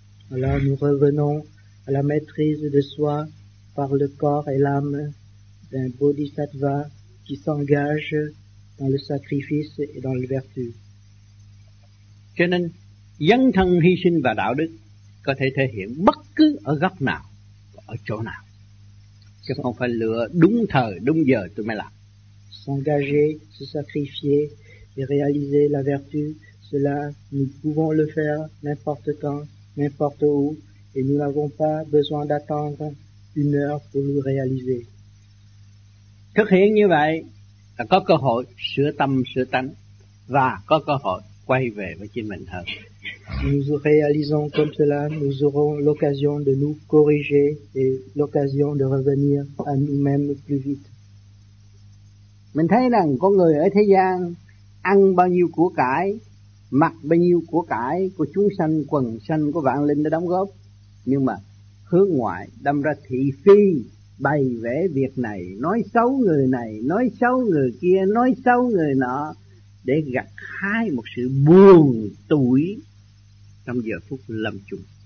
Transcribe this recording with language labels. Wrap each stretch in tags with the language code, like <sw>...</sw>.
<fr>Alors nous revenons à la maîtrise de soi par le corps et l'âme d'un bodhisattva qui s'engage dans le sacrifice et dans la vertu.</fr> <vi>Cho nên dấn thân hy sinh và đạo đức có thể thể hiện bất cứ ở góc nào, ở chỗ nào, chứ không phải lựa đúng thời đúng giờ tôi mới làm.</vi> <fr>S'engager, se sacrifier et réaliser la vertu, cela nous pouvons le faire n'importe quand, n'importe où, et nous n'avons pas besoin d'attendre une heure pour le réaliser.</fr> <vi>Thực hiện như vậy là có cơ hội sửa tâm sửa tánh và có cơ hội quay về với chính mình hơn.</vi> <fr>Si nous réalisons comme cela, nous aurons l'occasion de nous corriger et l'occasion de revenir à nous-mêmes plus vite.</fr> <vi>Mình thấy rằng con người ở thế gian ăn bao nhiêu của cải, mặc bao nhiêu của chúng sanh, quần sanh, của vạn linh đã đóng góp. Nhưng mà hướng ngoại đâm ra thị phi, bày vẽ việc này, nói xấu người kia, nói xấu người nọ, để gặt hái một sự buồn tủi trong giờ phút lâm chung.</vi>